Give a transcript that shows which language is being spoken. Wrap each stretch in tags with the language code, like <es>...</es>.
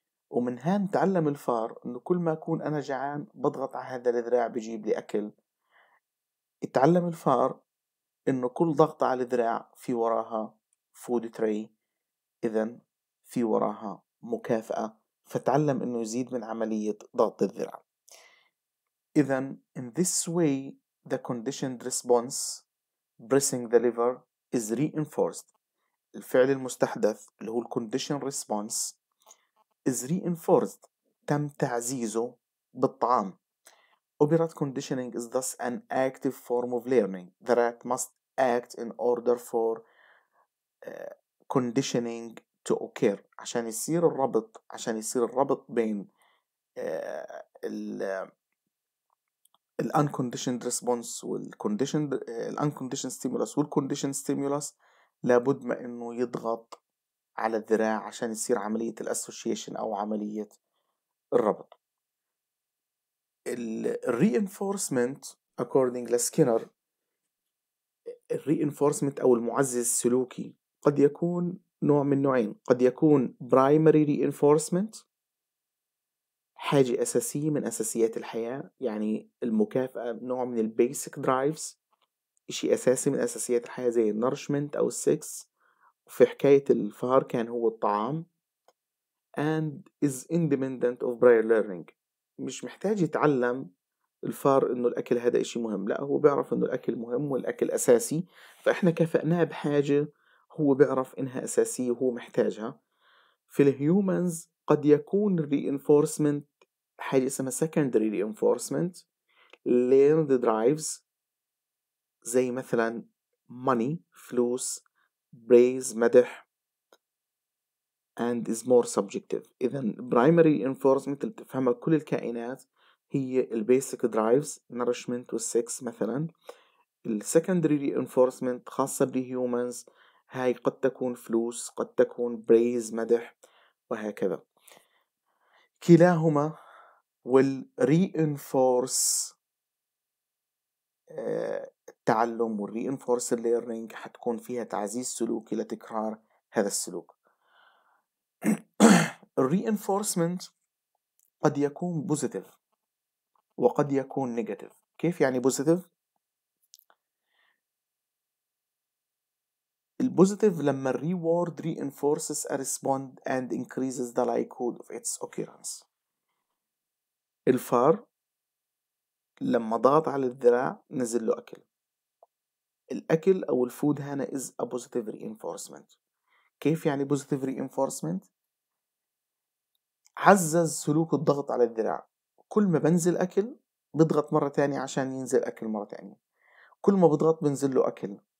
<ar>ومن هان تعلم الفار أنه كل ما أكون أنا جعان بضغط على هذا الذراع بيجيب لي أكل. اتعلم الفار أنه كل ضغطة على الذراع في وراها فود تري، إذن في وراها مكافأة، فتعلم أنه يزيد من عملية ضغط الذراع.</ar> <en>إذن in this way the conditioned response pressing the liver is reinforced.</en> <ar>الفعل المستحدث اللي هو conditioned response is reinforced، تم تعزيزه بالطعام.</ar> <en>Operant conditioning is thus an active form of learning. The rat must act in order for conditioning to occur.</en> <ar>عشان يصير الربط، عشان يصير الربط بين ال unconditioned response والconditioned unconditioned stimulus والconditioned stimulus، لابد ما انه يضغط على الذراع عشان يصير عملية الassociation او عملية الربط. الreinforcement according to Skinner، الreinforcement او المعزز السلوكي قد يكون نوع من نوعين، قد يكون primary reinforcement، حاجة أساسية من أساسيات الحياة، يعني المكافأة نوع من basic drives، إشي أساسي من أساسيات الحياة زي nourishment أو sex في حكاية الفار كان هو الطعام and is independent of prior learning. مش محتاج يتعلم الفار انه الاكل هذا اشي مهم، لا هو بيعرف انه الاكل مهم والاكل اساسي، فاحنا كفأناه بحاجة هو بيعرف انها اساسية وهو محتاجها. في الهيومنز قد يكون reinforcement حاجة اسمها secondary reinforcement learned drives، زي مثلا money فلوس praise مدح and is more subjective. إذن primary reinforcement اللي بتفهمها كل الكائنات هي ال basic drives nourishment و sex مثلا. ال secondary reinforcement خاصة بال humans هاي قد تكون فلوس، قد تكون praise مدح وهكذا. كلاهما will reinforce التعلم وال reinforce learning، حتكون فيها تعزيز سلوكي لتكرار هذا السلوك. reinforcement قد يكون positive وقد يكون negative.</ar> <en>كيف يعني positive؟ البositive لما reward reinforces a respond and increases the likelihood of its occurrence.</en> <ar>الفار لما ضغط على الذراع نزل له أكل، الأكل أو الفود هنا is a positive reinforcement. كيف يعني positive reinforcement؟ عزز سلوك الضغط على الذراع، كل ما بنزل أكل بضغط مرة تانية عشان ينزل أكل مرة تانية، كل ما بضغط بنزل له أكل.</ar>